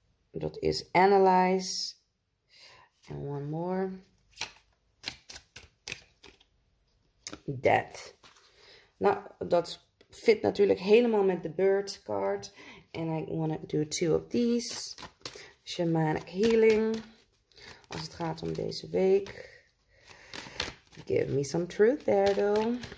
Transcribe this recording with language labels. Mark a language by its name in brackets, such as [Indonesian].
[Dutch] Dat is Analyze. En [English] one more. Death. [Dutch] Nou, dat fit natuurlijk helemaal met de Bird card. [English] And I want to do two of these. Shamanic Healing. [Dutch] Als het gaat om deze week. [English] Give me some truth there though.